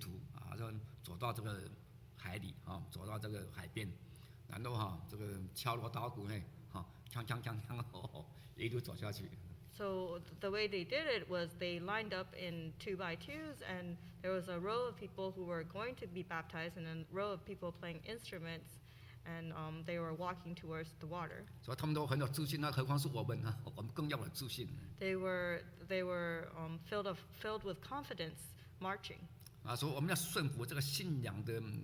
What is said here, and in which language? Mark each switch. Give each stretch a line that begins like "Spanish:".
Chinese: 哦，他们怎么去书写？他们在排队哈，敲锣打鼓哈，这个两排的人哈，啊，要接受洗礼的啊，这个人哈，就在中间啊，两旁两队哈，这个信徒啊，就走到这个。海里啊，走到这个海边，然后哈，这个敲锣打鼓嘿，哈，锵锵锵锵，一路走下去。
English: So the way they did it was they lined up in two by twos, and there was a row of people who were going to be baptized, and a row of people playing instruments, and they were walking towards the water.
Chinese: 所以他们都很有自信，那何况是我们呢？我们更要有自信。
English: They were filled with confidence marching.
Chinese: 啊，所以我们要顺服这个信仰的。